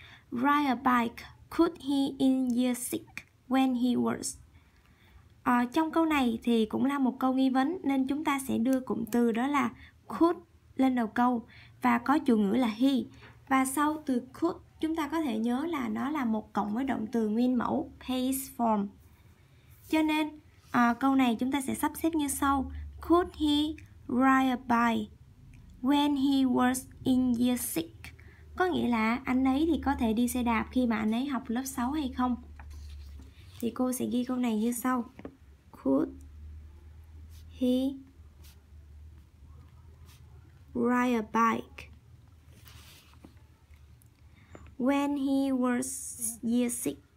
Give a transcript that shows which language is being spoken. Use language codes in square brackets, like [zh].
[en] Ride a bike, could he in year 6 when he was? [vi] Trong câu này thì cũng là một câu nghi vấn, nên chúng ta sẽ đưa cụm từ đó là could lên đầu câu và có chủ ngữ là he. Và sau từ could chúng ta có thể nhớ là nó là một cộng với động từ nguyên mẫu past form. Cho nên câu này chúng ta sẽ sắp xếp như sau: [en] could he ride a bike when he was in year 6? [vi] Có nghĩa là anh ấy thì có thể đi xe đạp khi mà anh ấy học lớp 6 hay không? Thì cô sẽ ghi câu này như sau: [en] could he ride a bike when he was year 6?